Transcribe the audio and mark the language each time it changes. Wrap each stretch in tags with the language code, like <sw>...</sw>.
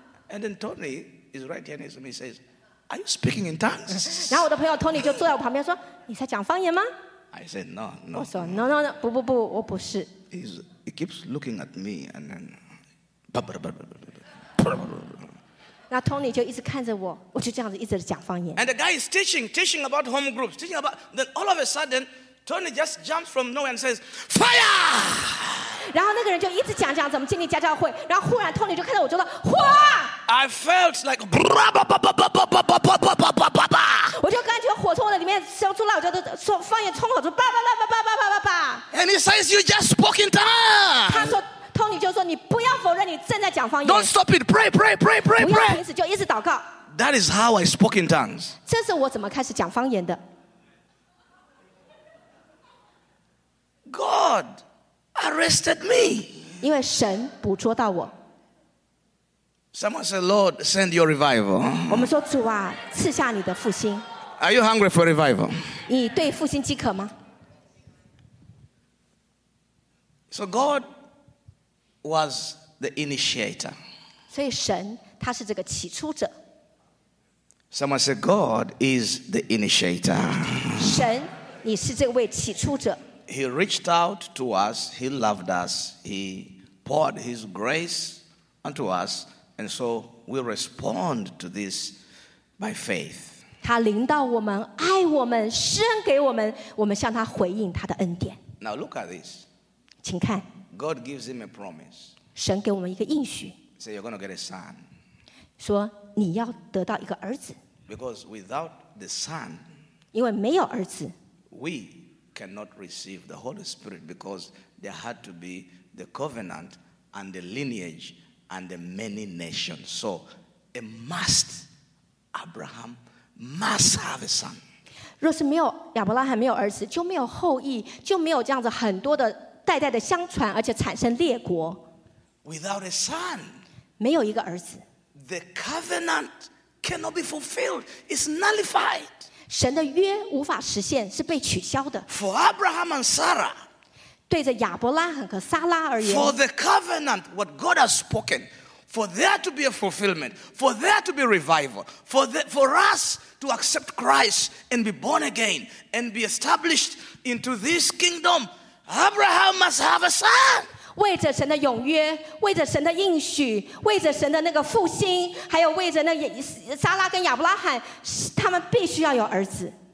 <en>And then Tony is right here next to me. He says, "Are you speaking in tongues?"</en> <zh>然后我的朋友 Tony 就坐在我旁边说：“你在讲方言吗？”</zh> <en>I said, "No, no."</en> <zh>我说 ：</zh> <en>“No, no, no.</en> <zh>不不不，我不是。”</zh> <en>He keeps looking at me, and then,</en> <zh>Now Tony 就一直看着我，我就这样子一直讲方言。</zh> <en>And the guy is teaching about home groups, teaching about. Then all of a sudden, Tony just jumps from nowhere and says, "Fire!"</en> <zh>然后那个人就一直讲怎么建立家教会，然后忽然 Tony 就看到我就说哗</zh> <en>！I felt like blah blah blah blah blah blah blah blah blah blah blah blah。</en> <zh>我就感觉火从我的里面冲出来，我就说方言冲口出，叭叭叭叭叭叭叭叭叭。</zh> <en>And he says you just spoke in tongues。</en> <zh>他说 Tony 就说你不要否认你正在讲方言。</zh> <en>Don't stop it, pray。</en> <zh>不要停止，就一直祷告。</zh> <en>That is how I spoke in tongues。</en> <zh>这是我怎么开始讲方言的</zh> <en>？God。 Arrested me.</en> <zh>因为神捕捉到我。</zh> <en>Someone said, "Lord, send your revival."</en> <zh>我们说主啊，赐下你的复兴。</zh> <en>Are you hungry for revival?</en> <zh>你对复兴饥渴吗？</zh> <en>So God was the initiator.</en> <zh>所以神他是这个起初者。</zh> <en>Someone said, "God is the initiator."</en> <zh>神，你是这位起初者。</zh> <en>He reached out to us. He loved us. He poured his grace unto us, and so we respond to this by faith.</en> <zh>他临到我们，爱我们，施恩给我们，我们向他回应他的恩典。</zh> <en>Now look at this.</en> <zh>请看。</zh> <en>God gives him a promise.</en> <zh>神给我们一个应许。</zh> <en>Say you're going to get a son.</en> <zh>说你要得到一个儿子。</zh> <en>Because without the son,</en> <zh>因为没有儿子</zh> <en>we. Cannot receive the Holy Spirit because there had to be the covenant and the lineage and the many nations. So, a must, Abraham must have a son.</en> <zh>若是没有亚伯拉罕没有儿子，就没有后裔，就没有这样子很多的代代的相传，而且产生列国。</zh> <en>Without a son,</en> <zh>没有一个儿子</zh> <en>the covenant cannot be fulfilled. It's nullified.</en> <zh>神的约无法实现，是被取消的。</zh> <en>For Abraham and Sarah,</en> <zh>对着亚伯拉罕和撒拉而言。</zh> <en>For the covenant, what God has spoken, for there to be a fulfillment, for there to be revival, for us to accept Christ and be born again and be established into this kingdom, Abraham must have a son.</en> <zh>为着神的永约，为着神的应许，为着神的那个复兴，还有为着那撒拉跟亚伯拉罕，他们必须要有儿子。</zh>